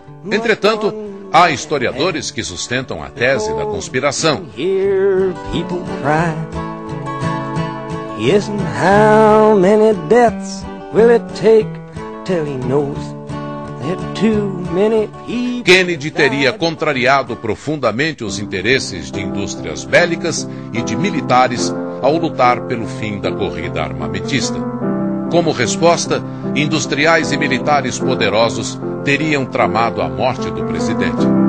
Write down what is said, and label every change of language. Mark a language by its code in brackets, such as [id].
[pt] Entretanto, há historiadores que sustentam a tese da conspiração. [en] Hear people cry. Yes, and how many deaths will it take till he knows that too many people. [pt] Kennedy teria contrariado profundamente os interesses de indústrias bélicas e de militares ao lutar pelo fim da corrida armamentista. Como resposta, industriais e militares poderosos teriam tramado a morte do presidente.